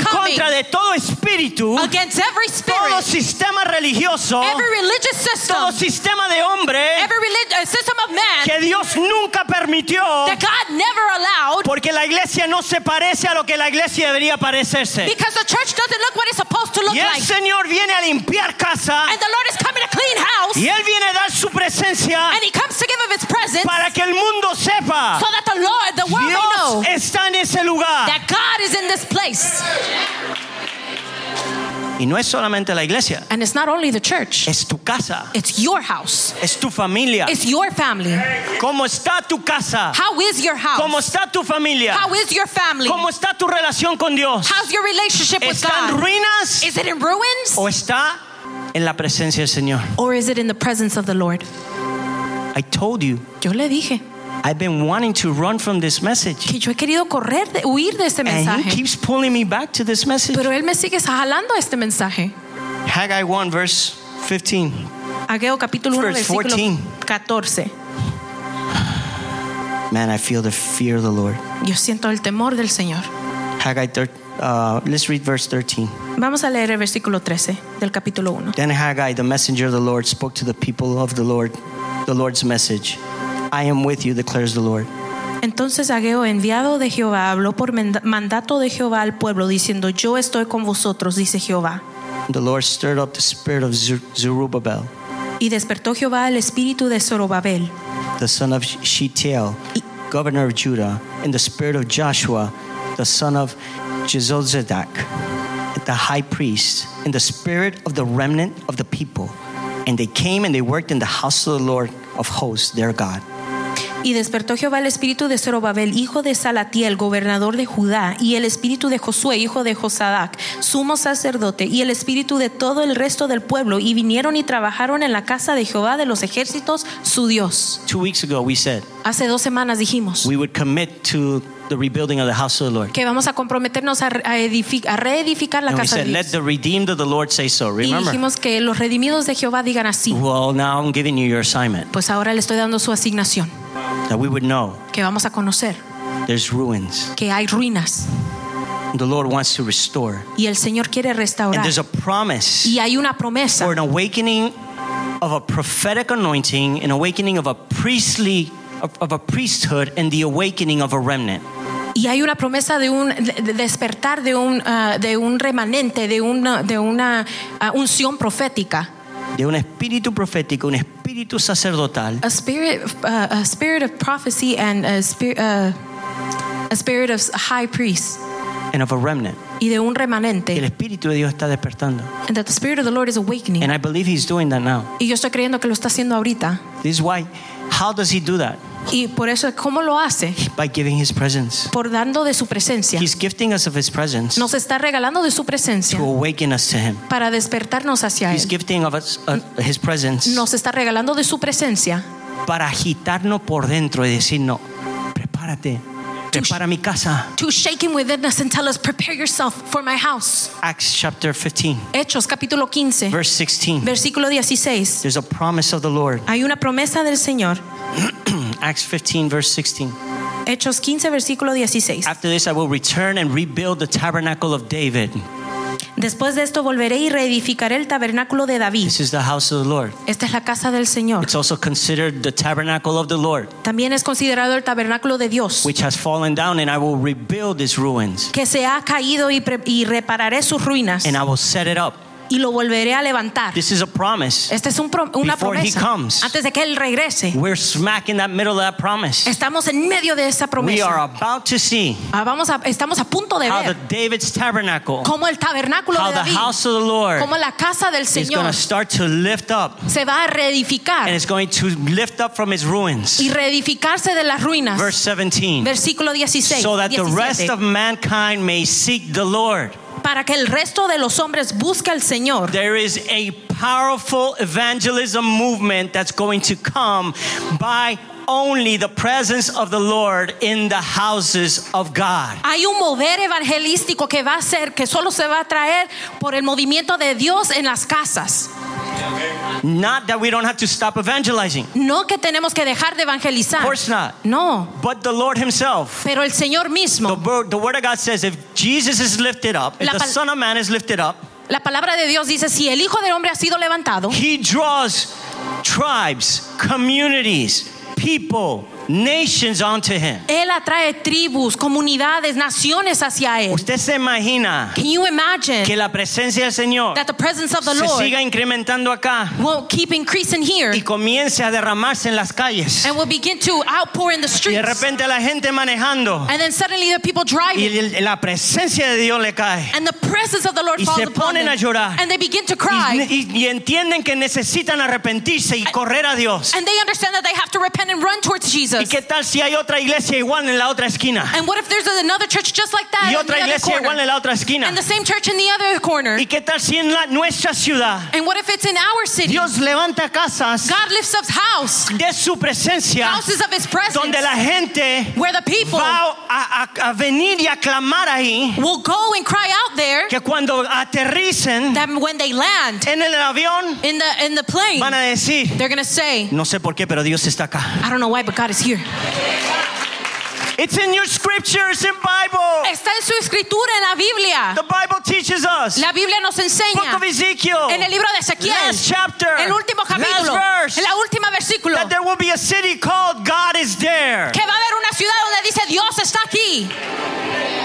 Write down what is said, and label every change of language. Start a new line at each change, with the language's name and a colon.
English: coming.
Spanish: En contra de todo espíritu.
English: Against every spirit.
Spanish: Todo sistema religioso.
English: Every religious system.
Spanish: Todo sistema de hombre.
English: Every religious system of man.
Spanish: Que Dios nunca permitió.
English: That God never allowed.
Spanish: Porque la iglesia no se parece a lo que la iglesia debería parecerse.
English: Because the church doesn't look what it's supposed to look like.
Spanish: Y el Señor viene a limpiar casa.
English: And the Lord is coming to clean house.
Spanish: Y él viene a dar su presencia.
English: And he comes to give of his presence.
Spanish: Para que el mundo sepa.
English: So that the Lord, the world
Spanish: Dios
English: may know.
Spanish: Dios está en ese lugar.
English: That God is in this place.
Spanish: Y no es solamente la iglesia.
English: And it's not only the church.
Spanish: Es tu casa.
English: It's your house.
Spanish: Es tu familia.
English: It's your family.
Spanish: ¿Cómo está tu casa?
English: How is your house?
Spanish: ¿Cómo está tu familia?
English: How is your family?
Spanish: ¿Cómo está tu relación con Dios?
English: How's your relationship with God?
Spanish: ¿Está en ruinas?
English: Is it in ruins?
Spanish: ¿O está en la presencia del Señor?
English: Or is it in the presence of the Lord? I told you.
Spanish: Yo le dije.
English: I've been wanting to run from this message.
Spanish: Que yo he querido correr, huir de este mensaje.
English: And he keeps pulling me back to this message.
Spanish: Pero él me sigue jalando a este mensaje.
English: Haggai 1 verse 15.
Spanish: Hageo capítulo 1 versículo 14.
English: Man, I feel the fear of the Lord.
Spanish: Yo siento el temor del Señor.
English: Haggai let's read verse 13.
Spanish: Vamos a leer el versículo 13 del capítulo 1.
English: Then Haggai, the messenger of the Lord, spoke to the people of the Lord's message. I am with you, declares the Lord.
Spanish: Entonces Hageo, enviado de Jehová, habló por mandato de Jehová al pueblo, diciendo, yo estoy con vosotros, dice Jehová.
English: The Lord stirred up the spirit of Zerubbabel.
Spanish: Y despertó Jehová el espíritu de Zorobabel.
English: The son of Shealtiel, governor of Judah, and the spirit of Joshua, the son of Jehozadak, the high priest, and the spirit of the remnant of the people. And they came and they worked in the house of the Lord of hosts, their God.
Spanish: Y despertó Jehová el espíritu de Zorobabel, hijo de Salatiel, gobernador de Judá, y el espíritu de Josué, hijo de Josadac, sumo sacerdote, y el espíritu de todo el resto del pueblo, y vinieron y trabajaron en la casa de Jehová de los ejércitos, su Dios.
English: 2 weeks ago we said,
Spanish: hace dos semanas dijimos,
English: we would commit to the rebuilding of the house of the Lord.
Spanish: Que vamos a comprometernos a reedificar la
English: and
Spanish: casa
English: said,
Spanish: de Dios.
English: Let the redeemed of the Lord say so. Remember?
Spanish: Y dijimos que los redimidos de Jehová digan así.
English: Well, now I'm giving you your assignment.
Spanish: Pues ahora le estoy dando su asignación.
English: That we would know.
Spanish: Que vamos a conocer.
English: There's ruins.
Spanish: Que hay ruinas.
English: The Lord wants to restore.
Spanish: Y el Señor quiere restaurar.
English: And there's a promise.
Spanish: Y hay una promesa.
English: For an awakening of a prophetic anointing, an awakening of a priestly of a priesthood and the awakening of a remnant.
Spanish: Y hay una promesa de un despertar de un remanente, de una unción profética. De un espíritu profético, un espíritu sacerdotal.
English: A spirit of prophecy and a spirit of high priest. And of a remnant.
Spanish: Y de un remanente. Y el espíritu de Dios está despertando.
English: And that the spirit of the Lord is awakening. And I believe he's doing that now.
Spanish: Y yo estoy creyendo que lo está haciendo ahorita.
English: This is why. How does he do that?
Spanish: Y por eso, ¿cómo lo hace?
English: By giving his presence.
Spanish: Por dando de su presencia.
English: He's gifting us of his presence.
Spanish: Nos está regalando de su presencia.
English: To awaken us to him.
Spanish: Para despertarnos hacia
English: he's
Spanish: él.
English: Gifting of us, his presence.
Spanish: Nos está regalando de su presencia. Para agitarnos por dentro y decir, no, prepárate. Prepara mi casa.
English: To shake him within us and tell us, prepare yourself for my house. Acts chapter 15.
Spanish: Hechos capítulo 15.
English: Verse 16.
Spanish: Versículo 16.
English: There's a promise of the Lord.
Spanish: Hay una promesa del Señor.
English: Acts 15 verse 16.
Spanish: Hechos 15 versículo 16.
English: After this I will return and rebuild the tabernacle of David.
Spanish: Después de esto volveré y reedificaré el tabernáculo de David.
English: This is the house of the Lord.
Spanish: Esta es la casa del Señor.
English: It's also considered the tabernacle of the Lord.
Spanish: También es considerado el tabernáculo de Dios.
English: Which has fallen down and I will rebuild its ruins.
Spanish: Que se ha caído y repararé sus ruinas.
English: And I will set it up.
Spanish: y lo volveré a levantar.
English: This is a promise.
Spanish: Esta es una
English: before
Spanish: promesa.
English: He comes,
Spanish: antes de que él regrese.
English: We're smack in that middle of that promise.
Spanish: Estamos en medio de esa promesa.
English: We are about to see.
Spanish: Estamos a punto de
English: how
Spanish: ver.
English: The David's tabernacle.
Spanish: Como el tabernáculo
English: how
Spanish: de David.
English: The house of the Lord.
Spanish: Como la casa del Señor.
English: Is going to start to lift up.
Spanish: Se va a reedificar.
English: And it's going to lift up from its ruins.
Spanish: Y reedificarse de las ruinas.
English: Verse 17.
Spanish: Versículo 16.
English: So that 17. The rest of mankind may seek the Lord.
Spanish: Para que el resto de los hombres busque al Señor.
English: There is a powerful evangelism movement that's going to come by only the presence of the Lord in the houses of God.
Spanish: Hay un mover evangelístico que va a ser que solo se va a traer por el movimiento de Dios en las casas.
English: Not that we don't have to stop evangelizing.
Spanish: No que tenemos que dejar de evangelizar.
English: Of course not.
Spanish: No.
English: But the Lord himself.
Spanish: Pero el Señor mismo.
English: The word of God says if Jesus is lifted up, if the Son of Man is lifted up,
Spanish: la palabra de Dios dice si el Hijo del Hombre ha sido levantado,
English: he draws tribes, communities, people, nations onto him.
Spanish: Él atrae tribus, comunidades, naciones hacia él. ¿Usted se imagina?
English: Can you imagine
Spanish: que la presencia del Señor
English: that the presence of the
Spanish: se
English: Lord
Spanish: siga incrementando acá
English: will keep increasing here
Spanish: y comience a derramarse en las calles
English: and will begin to outpour in the streets
Spanish: y de repente la gente manejando
English: and then suddenly the people driving
Spanish: y la presencia de Dios le cae
English: and the presence of the Lord
Spanish: y
English: falls
Spanish: se ponen
English: upon
Spanish: a llorar
English: and they begin to cry
Spanish: y entienden que necesitan arrepentirse y correr a Dios
English: and they understand that they have to repent and run towards Jesus.
Spanish: ¿Y qué tal si hay otra iglesia igual en la otra esquina?
English: And what if there's another church just like that?
Spanish: Y otra iglesia igual en la otra esquina.
English: And the same church in the other corner.
Spanish: ¿Y qué tal si en nuestra ciudad?
English: And what if it's in our city?
Spanish: Dios levanta casas.
English: God lifts up houses.
Spanish: De su presencia.
English: Houses of his presence.
Spanish: Donde la gente
English: where the people
Spanish: va a venir y a clamar ahí.
English: Will go and cry out there.
Spanish: Que cuando aterricen
English: that when they land
Spanish: en el avión
English: in the plane
Spanish: van a decir
English: they're going to say
Spanish: no sé por qué pero Dios está acá.
English: I don't know why but God is here. It's in your scriptures in Bible.
Spanish: Está en su escritura en la Biblia.
English: The Bible teaches us.
Spanish: La Biblia nos enseña.
English: Book of Ezekiel.
Spanish: En el libro de Ezequiel.
English: Last chapter.
Spanish: El último capítulo.
English: Last verse.
Spanish: En la última versículo.
English: That there will be a city called God is there.
Spanish: Que va a haber una ciudad donde dice Dios está aquí.